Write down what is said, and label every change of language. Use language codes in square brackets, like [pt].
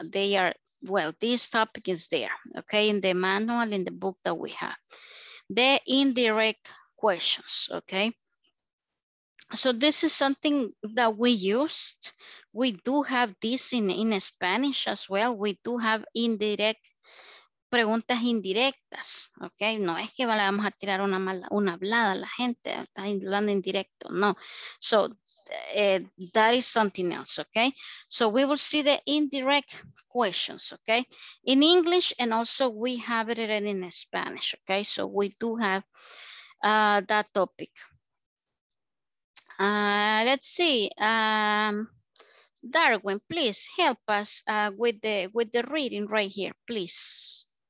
[en] They are, well, this topic is there, okay, in the manual, in the book that we have. The indirect questions, okay? So this is something that we used. We do have this in Spanish as well. We do have indirect [es] preguntas indirectas, [en] okay? [es] No es que vamos a tirar una mala, una hablada a la gente, está hablando indirecto, no. [en] So that is something else, okay? So we will see the indirect questions, okay? In English, and also we have it in Spanish, okay? So we do have that topic. Let's see, Darwin, please help us with the reading right here, please.